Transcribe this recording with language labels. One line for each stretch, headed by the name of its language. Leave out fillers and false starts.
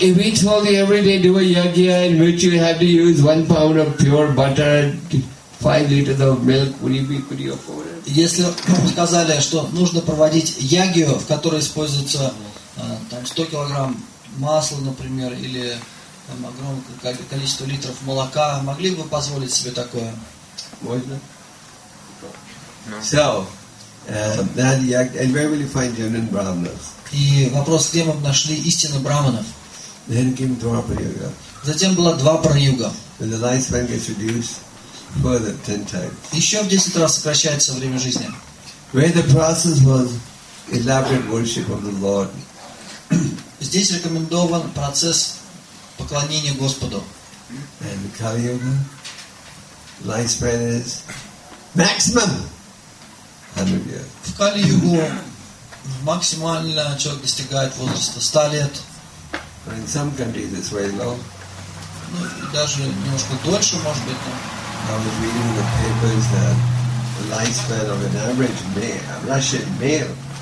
English: If we told you every day do a yagya in which you have to use 1 pound of pure butter and 5 liters of milk, would you afford it?
Russian: Если вам сказали, что нужно проводить ягью, в которой используется там 100 килограмм масла, например, или там огромное количество литров молока, могли бы позволить себе такое? Можно.
English: So, that yag, and where will you find genuine brahmanas?
Russian: И вопрос, где мы нашли истинных брахманов?
English: Then came Dvapara-yuga.
Russian: Затем была Двапара-юга.
English: When the lifespan gets reduced. Further, 10 times.
Russian: Еще в 10 раз сокращается время жизни.
English: Where the process was elaborate worship of the Lord.
Russian: Здесь рекомендован процесс поклонения Господу.
English: And the Kali Yuga, lifespan is maximum 100 years.
Russian: В Kali Yuga максимально человек достигает возраста 100 лет.
English: But in some countries it's very long.
Russian: Ну и даже немножко дольше, может быть. Но...
English: I was reading the papers that the lifespan of an average male, a Russian male,